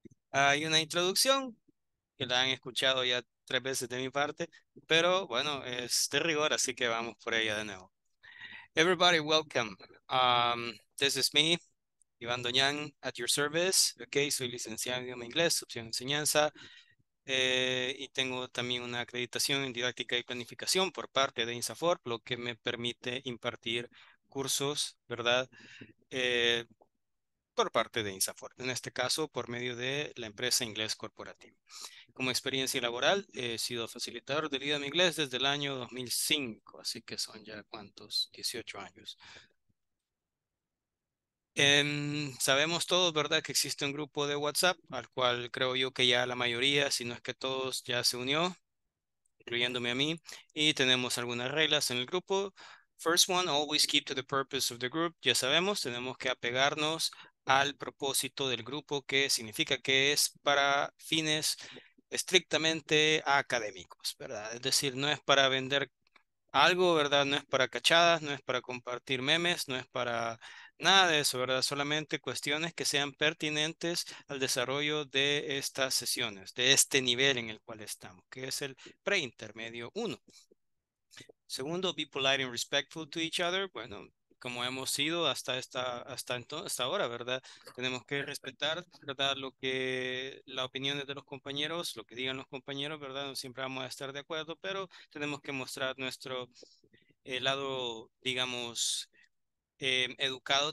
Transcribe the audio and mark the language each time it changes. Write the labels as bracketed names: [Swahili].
[Spanish] Hay una introducción que la han escuchado ya tres veces de mi parte, pero bueno, es de rigor, así que vamos por ella de nuevo. [English] Everybody, welcome. This is me, Iván Doñán, at your service. [Spanish] Okay, soy licenciado en idioma inglés, opción de enseñanza. Y tengo también una acreditación en didáctica y planificación por parte de INSAFOR, lo que me permite impartir cursos, ¿verdad? Por parte de INSAFOR, en este caso por medio de la empresa Inglés Corporativo. Como experiencia laboral, he sido facilitador del idioma inglés desde el año 2005, así que son ya, ¿cuántos? 18 años. Sabemos todos, ¿verdad?, que existe un grupo de WhatsApp al cual creo yo que ya la mayoría, si no es que todos, ya se unió, incluyéndome a mí, y tenemos algunas reglas en el grupo. [English] First one, always keep to the purpose of the group. [Spanish] Ya sabemos, tenemos que apegarnos al propósito del grupo, que significa que es para fines estrictamente académicos, ¿verdad? Es decir, no es para vender algo, ¿verdad? No es para cachadas, no es para compartir memes, no es para nada de eso, ¿verdad? Solamente cuestiones que sean pertinentes al desarrollo de estas sesiones, de este nivel en el cual estamos, que es el preintermedio 1. [English] Segundo, be polite and respectful to each other. [Spanish] Bueno, como hemos sido hasta ahora, ¿verdad? Tenemos que respetar, ¿verdad?, lo que las opiniones de los compañeros, lo que digan los compañeros, ¿verdad? No siempre vamos a estar de acuerdo, pero tenemos que mostrar nuestro lado, digamos, educado.